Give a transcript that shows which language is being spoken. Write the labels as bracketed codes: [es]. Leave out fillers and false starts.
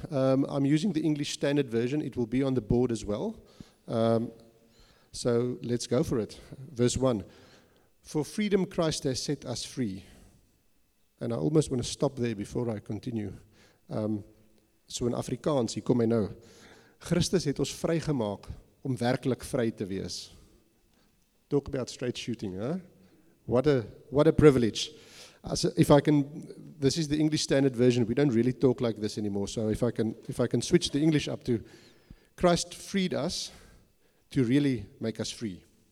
[en] I'm using the English Standard Version. It will be on the board as well. So let's go for it. Verse 1. For freedom Christ has set us free. And I almost want to stop there before I continue. So in Afrikaans, [af] hier kom hy nou. Christus het ons vrygemaak om werkelijk vry te wees. [en] Talk about straight shooting, huh? What a privilege. If I can, this is the English Standard Version. We don't really talk like this anymore. So if I can switch the English up to Christ freed us to really make us free.